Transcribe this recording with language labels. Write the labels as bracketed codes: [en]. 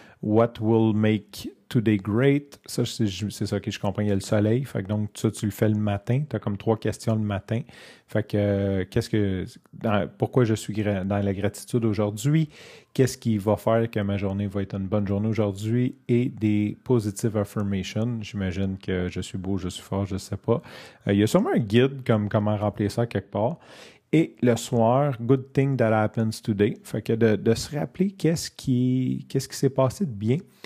[en] What will make today great. [fr] Ça, c'est ça que je comprends. Il y a le soleil. Fait que donc, ça, tu le fais le matin. T'as comme 3 questions le matin. Fait que, pourquoi je suis dans la gratitude aujourd'hui? Qu'est-ce qui va faire que ma journée va être une bonne journée aujourd'hui? Et des positive affirmations. J'imagine que je suis beau, je suis fort, je sais pas. Il y a sûrement un guide comme comment remplir ça quelque part. Et le soir, [en] good thing that happens today. [fr] Fait que de se rappeler qu'est-ce qui s'est passé de bien.